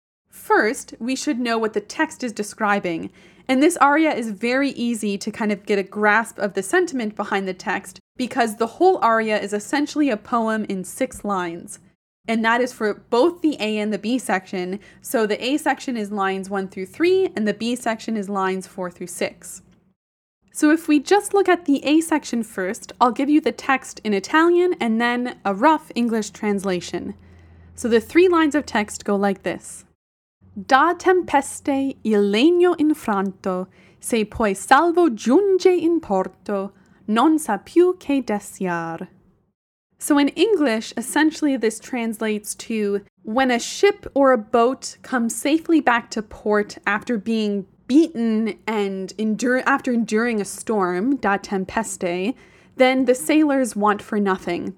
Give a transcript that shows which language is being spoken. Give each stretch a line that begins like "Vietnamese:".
English: First, we should know what the text is describing, and this aria is very easy to kind of get a grasp of the sentiment behind the text, because the whole aria is essentially a poem in 6 lines, and that is for both the A and the B section, so the A section is lines 1 through 3, and the B section is lines 4 through 6. So if we just look at the A section first, I'll give you the text in Italian and then a rough English translation. So the 3 lines of text go like this.
Italian: Da tempeste il legno infranto, se poi salvo giunge in porto, non sa più che desiar.
English: So in English, essentially this translates to, when a ship or a boat comes safely back to port after being beaten and enduring a storm,
Italian: da tempeste,
English: then the sailors want for nothing.